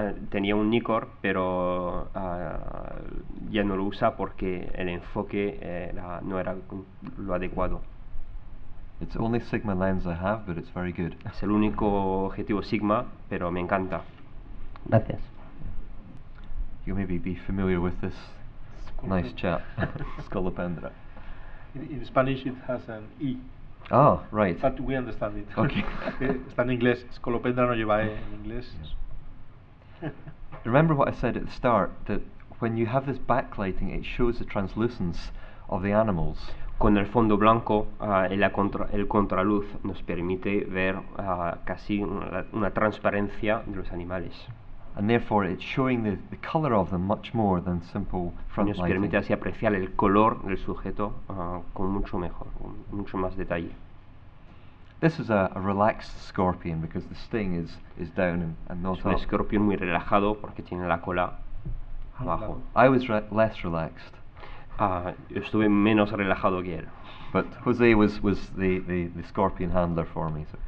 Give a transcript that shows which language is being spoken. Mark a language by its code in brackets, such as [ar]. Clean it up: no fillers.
[es] Tenía un Nikkor, pero ya no lo usa porque el enfoque no era lo adecuado. [en] It's the only Sigma lens I have, but it's very good. [es] Es el único objetivo Sigma, pero me encanta. Gracias. [en] You maybe be familiar with this nice chap, Scolopendra. In Spanish it has an E. Oh, right. But we understand it. Okay. [es] Está en inglés. Scolopendra no lleva E en inglés. [en] Yeah. Remember what I said at the start, that when you have this backlighting, it shows the translucence of the animals. [es] Con el fondo blanco, el contraluz nos permite ver casi una transparencia de los animales. [en] And therefore, it's showing the color of them much more than simple front lighting. [es] Nos permite así apreciar el color del sujeto con mucho mejor, mucho más detalle. [en] This is a relaxed scorpion because the sting is down and not up. [es] Es un escorpión muy relajado porque tiene la cola abajo. [en] I was less relaxed. [es] Estuve menos relajado que él. [en] But José was the scorpion handler for me.